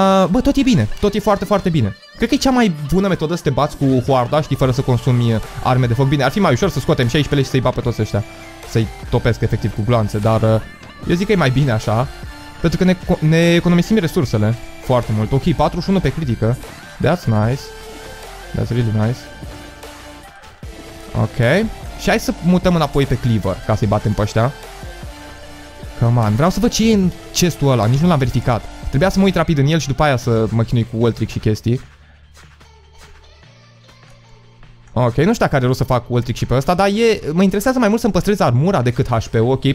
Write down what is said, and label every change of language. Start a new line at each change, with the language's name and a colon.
Romanian: Bă, tot e bine, tot e foarte, foarte bine. Cred că e cea mai bună metodă să te bați cu hoarda, știi, fără să consumi arme de foc. Bine, ar fi mai ușor să scoatem 16 și să-i bat pe toți ăștia, să-i topesc efectiv cu gloanțe, dar eu zic că e mai bine așa, pentru că ne economisim resursele foarte mult.
English: Ok,
Romanian: 41 pe critică,
English: that's nice, that's really nice.
Romanian: Ok, și hai să mutăm înapoi pe cleaver ca să-i batem pe ăștia.
English: Come on,
Romanian: vreau să văd ce e în chestul ăla, nici nu l-am verificat. Trebuia să mă uit rapid în el și după aia să mă chinui cu wall trick și chestii. Ok, nu știu dacă are rost să fac wall trick și pe ăsta, dar mă interesează mai mult să-mi păstrez armura decât HP-ul, ok?